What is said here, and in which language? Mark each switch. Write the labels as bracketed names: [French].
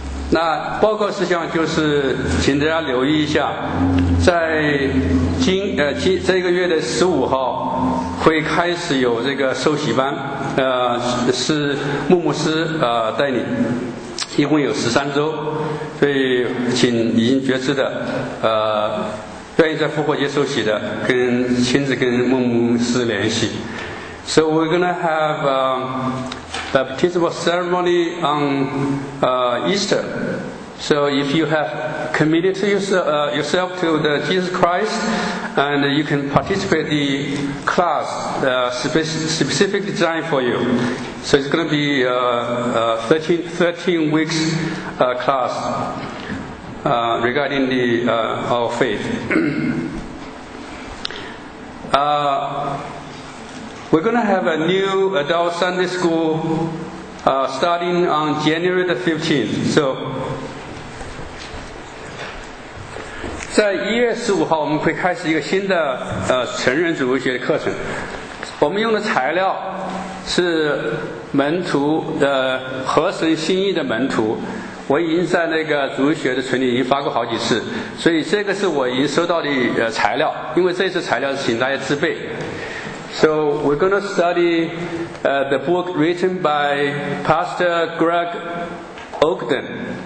[Chinese] 那报告事项就是请大家留意一下，在这个月的15号会开始有这个受洗班，是牧牧师带领，一共有13周，所以请已经觉知的愿意在复活节受洗的跟亲自跟牧牧师联系。 [English] So we're going to have baptismal ceremony on Easter. So if you have committed to yourself to the Jesus Christ, and you can participate the class specific design for you. So it's going to be a 13 weeks class regarding the our faith. We're going to have a new adult Sunday school starting on January the 15th. [Chinese] So, 在1月15号我们会开始一个新的成人主日学的课程。我们用的材料是门徒的合神心意的门徒。我已经在那个主日学的群里已经发过好几次，所以这个是我已经收到的材料，因为这次材料是请大家自备。 [English] So we're going to study the book written by Pastor Greg Ogden.